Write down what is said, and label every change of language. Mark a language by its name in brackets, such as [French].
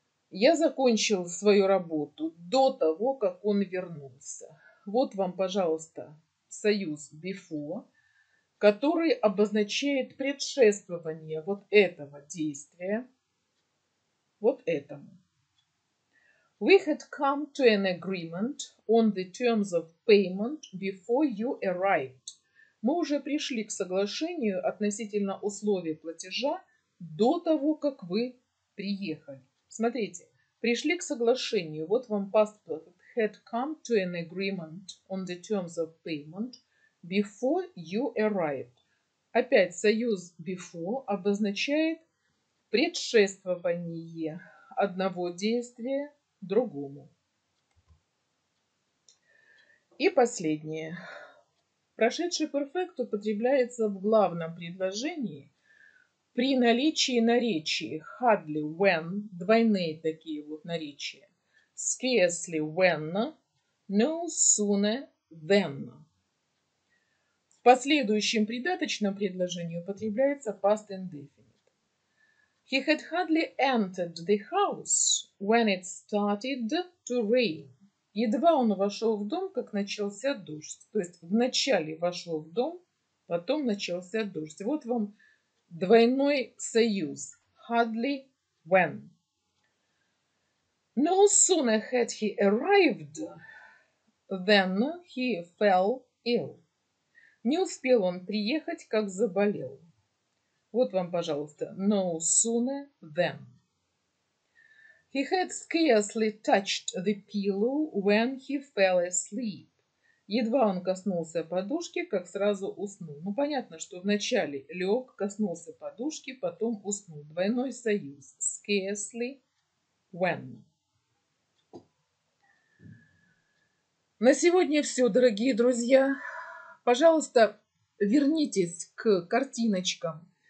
[Russian] Я закончил свою работу до того, как он вернулся. Вот вам, пожалуйста, союз before, который обозначает предшествование вот этого действия, вот этому. [English] We had come to an agreement on the terms of payment before you arrived. [Russian] Мы уже пришли к соглашению относительно условий платежа до того, как вы приехали. Смотрите, пришли к соглашению. Вот вам past perfect. [English] Had come to an agreement on the terms of payment before you arrived. [Russian] Опять союз before обозначает предшествование одного действия другому. И последнее. Прошедший перфект употребляется в главном предложении при наличии наречия [English] hardly when, [Russian] двойные такие вот наречия, [English] scarcely when, no sooner than. [Russian] В последующем придаточном предложении употребляется past indefinite. [English] He had hardly entered the house when it started to rain. [Russian] Едва он вошел в дом, как начался дождь. То есть вначале вошел в дом, потом начался дождь. Вот вам двойной союз. [English] Hardly when. No sooner had he arrived, than he fell ill. [Russian] Не успел он приехать, как заболел. Вот вам, пожалуйста, [English] no sooner than. He had scarcely touched the pillow when he fell asleep. [Russian] Едва он коснулся подушки, как сразу уснул. Ну, понятно, что вначале лег, коснулся подушки, потом уснул. Двойной союз. [English] Scarcely when. [Russian] На сегодня все, дорогие друзья. Пожалуйста, вернитесь к картиночкам.